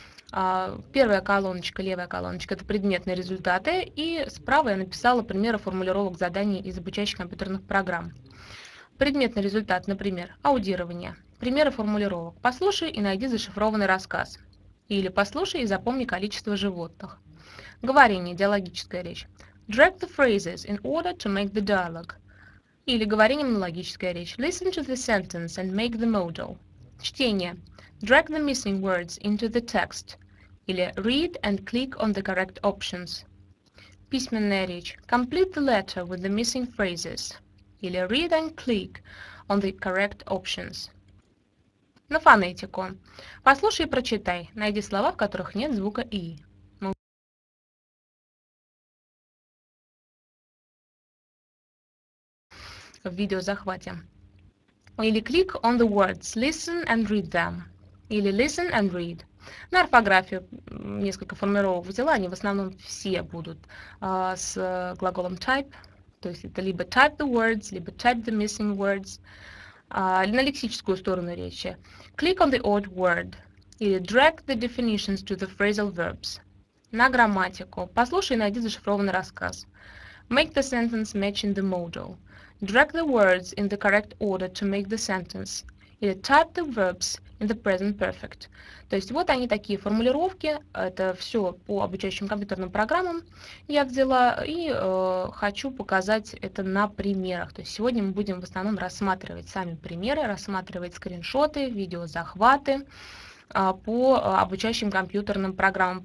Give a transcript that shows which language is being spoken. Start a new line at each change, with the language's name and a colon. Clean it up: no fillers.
Russian: Первая колоночка, левая колоночка – это предметные результаты, и справа я написала примеры формулировок заданий из обучающих компьютерных программ. Предметный результат, например, аудирование. Примеры формулировок. Послушай и найди зашифрованный рассказ. Или послушай и запомни количество животных. Говорение, диалогическая речь.
English: Drag the phrases in order to make the dialogue.
Russian: Или говорение, монологическая речь.
English: Listen to the sentence and make the model.
Russian: Чтение.
English: Drag the missing words into the text.
Russian: Или
English: read and click on the correct options.
Russian: Письменная речь.
English: Complete the letter with the missing phrases.
Russian: Или
English: read and click on the correct options.
Russian: На фонетику. Послушай и прочитай. Найди слова, в которых нет звука «и». В видеозахвате. Или
English: click on the words. Listen and read them. Или listen and read.
Russian: На орфографию несколько формировок взяла. Они в основном все будут с глаголом type. То есть это либо
English: type the words,
Russian: либо
English: type the missing words,
Russian: на лексическую сторону речи.
English: Click on the odd word.
Russian: Или
English: drag the definitions to the phrasal verbs.
Russian: На грамматику. Послушай и найди зашифрованный рассказ.
English: Make the sentence match in the modal. Drag the words in the correct order to make the sentence.
Russian: Или
English: type the verbs in the present perfect.
Russian: То есть вот они такие формулировки. Это все по обучающим компьютерным программам я взяла. И хочу показать это на примерах. То есть сегодня мы будем в основном рассматривать сами примеры, рассматривать скриншоты, видеозахваты по обучающим компьютерным программам.